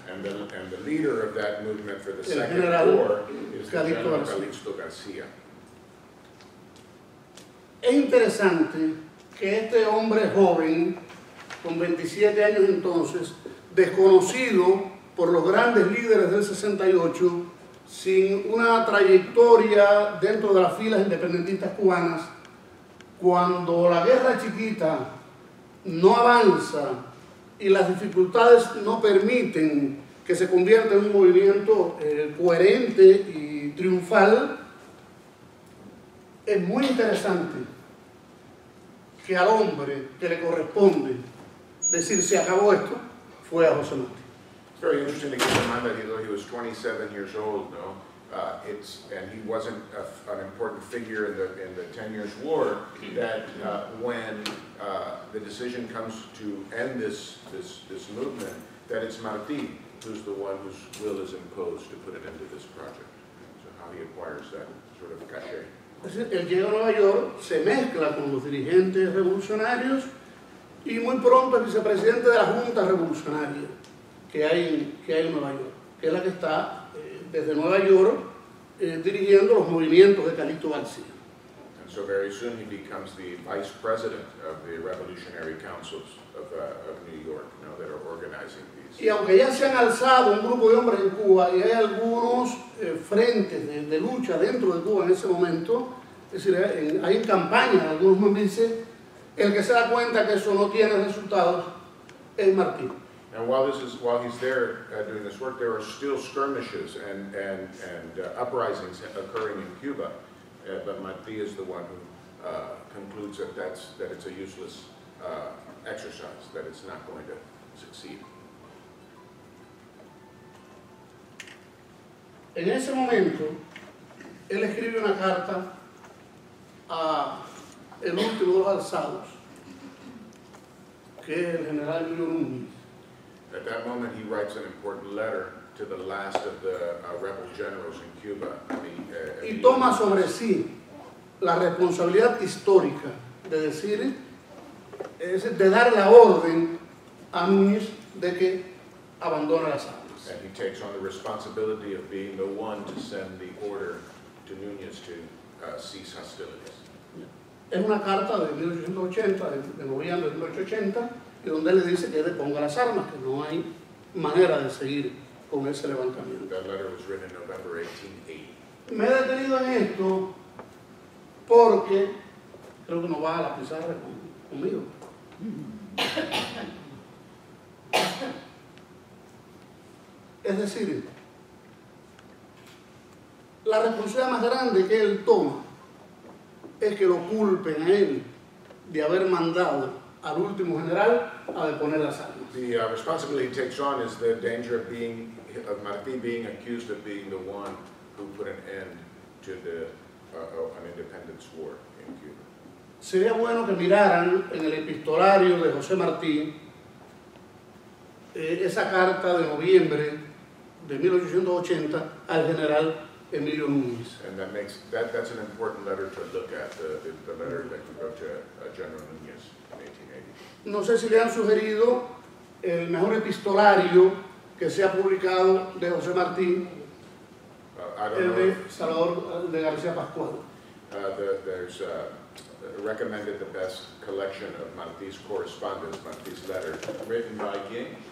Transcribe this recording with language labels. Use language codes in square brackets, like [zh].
[en] And the leader of that movement for the second war is Calixto García. Calixto García. [es] Es interesante que este hombre joven, con 27 años entonces, desconocido por los grandes líderes del 68, sin una trayectoria dentro de las filas independentistas cubanas, cuando la Guerra Chiquita no avanza y las dificultades no permiten que se convierta en un movimiento coherente y triunfal, es muy interesante que al hombre que le corresponde decir se acabó esto fue a José Martí. [en] Very interesting to keep in mind that though he was 27 years old, no, it's and he wasn't an important figure in the 10 years war. That when the decision comes to end this movement, that it's Martí who's the one whose will is imposed to put it into this project. So how he acquires that sort of cachet. [es] Él llega a Nueva York, se mezcla con los dirigentes revolucionarios, y muy pronto es vicepresidente de la Junta Revolucionaria. Que hay en Nueva York, que es la que está desde Nueva York dirigiendo los movimientos de Calixto García. [en] And so very soon he becomes the vice president of the Revolutionary Councils of New York, you know, that are organizing these. [es] Y aunque ya se han alzado un grupo de hombres en Cuba y hay algunos frentes de lucha dentro de Cuba en ese momento, es decir, hay campaña, algunos me dicen, el que se da cuenta que eso no tiene resultados es Martín. [en] And while he's there doing this work, there are still skirmishes and uprisings occurring in Cuba. But Martí is the one who concludes that it's a useless exercise, that it's not going to succeed. [es] En ese momento, él escribe una carta a el último de los alzados, que es el general Julio Núñez. [en] At that moment, he writes an important letter to the last of the rebel generals in Cuba. [es] Y toma sobre sí la responsabilidad histórica de decir, de dar la orden a Núñez de que abandone las armas. [en] And he takes on the responsibility of being the one to send the order to Núñez to cease hostilities. [es] Es una carta de 1880, de noviembre de 1880, y donde le dice que deponga las armas, que no hay manera de seguir con ese levantamiento. [en] That letter was written in November 1880. [es] Me he detenido en esto porque creo que no va a la pizarra conmigo. Es decir, la responsabilidad más grande que él toma es que lo culpen a él de haber mandado al último general a deponer las armas. [en] The responsibility he takes on is the danger of being of Martí being accused of being the one who put an end to the an independence war in Cuba. [es] Sería bueno que miraran en el epistolario de José Martí esa carta de noviembre de 1880 al general Emilio Núñez. [en] And that makes that's an important letter to look at, the letter that he wrote to General Núñez. [es] No sé si le han sugerido el mejor epistolario que se ha publicado de José Martín, el de Salvador de García Pascual. [en] There's recommended the best collection of Martí's correspondence, Martí's letter, written by quién?